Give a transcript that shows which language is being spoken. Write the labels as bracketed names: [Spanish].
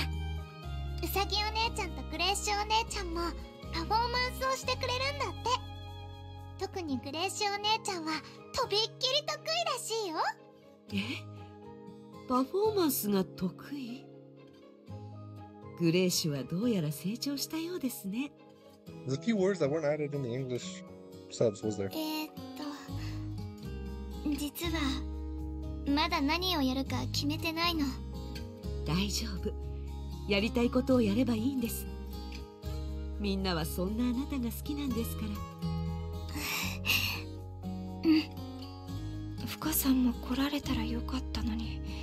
[Japanese] ウサギお姉ちゃんとグレーシュお姉ちゃんもパフォーマンスをしてくれるんだって。特にグレーシュお姉ちゃんはとびっきり得意らしいよ。え、パフォーマンスが得意？グレーシュはどうやら成長したようですね。 [English] The few words that weren't added in the English subs, was there? [Japanese] 実はまだ何をやるか決めてないの。大丈夫、やりたいことをやればいいんです。みんなはそんなあなたが好きなんですから。うん、フカさんも来られたらよかったのに。